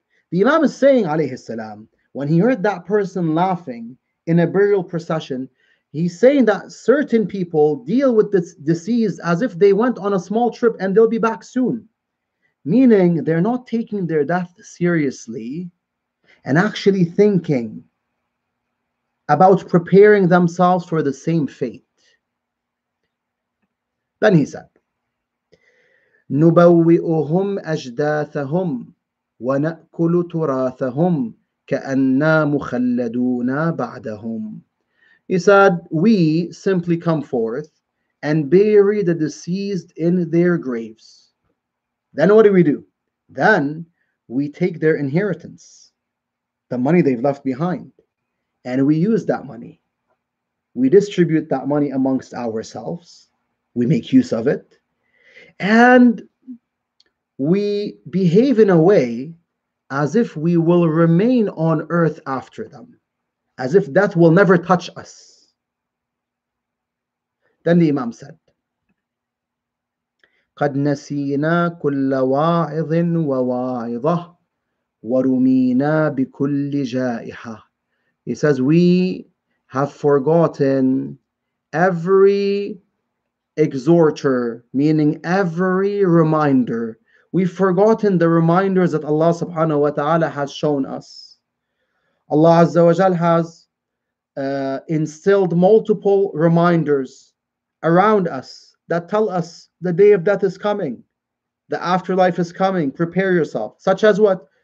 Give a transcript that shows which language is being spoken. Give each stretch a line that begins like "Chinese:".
English: The Imam is saying, alayhi salam, when he heard that person laughing in a burial procession, he's saying that certain people deal with this deceased as if they went on a small trip and they'll be back soon. Meaning they're not taking their death seriously and actually thinking about preparing themselves for the same fate. Then he said,
Arabic: نُبَوِّئُهُمْ أَجْدَاثَهُمْ وَنَأْكُلُ تُرَاثَهُمْ كَأَنَّا مُخَلَّدُونَ بَعْدَهُمْ.
English: He said, we simply come forth and bury the deceased in their graves. Then what do? Then we take their inheritance, the money they've left behind, and we use that money. We distribute that money amongst ourselves. We make use of it. And we behave in a way as if we will remain on earth after them, as if death will never touch us. Then the Imam said,
Arabic: قَدْ نَسِيْنَا كُلَّ وَاعِظٍ وَوَاعِظَهُ وَرُمِيْنَا بِكُلِّ جَائِحَةٍ.
English: He says, we have forgotten every exhorter, meaning every reminder. We've forgotten the reminders that Allah subhanahu wa ta'ala has shown us. Allah azza wa jal has instilled multiple reminders around us that tell us the day of death is coming, the afterlife is coming, prepare yourself. Such as what?